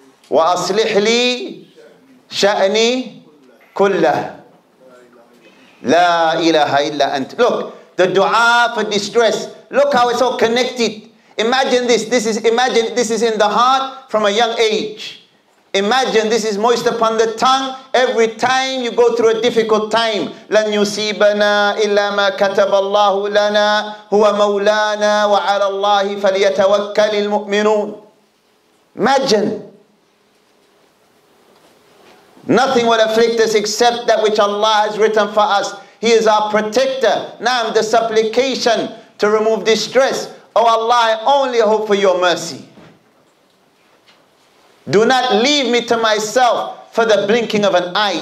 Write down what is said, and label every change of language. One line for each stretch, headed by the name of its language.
Arabic: وأصلح لي شأني كله لا إله إلا أنت.
English: Look, the dua for distress. Look how it's all connected. Imagine this. This is in the heart from a young age. Imagine this is moist upon the tongue every time you go through a difficult time.
Arabic: لن يصيبنا إلا ما كتب الله لنا هو مولانا وعلى الله فليتوكل المؤمنون.
English: Imagine. Nothing will afflict us except that which Allah has written for us. He is our protector. Na'am, the supplication to remove distress. Oh Allah, I only hope for your mercy. Do not leave me to myself for the blinking of an eye.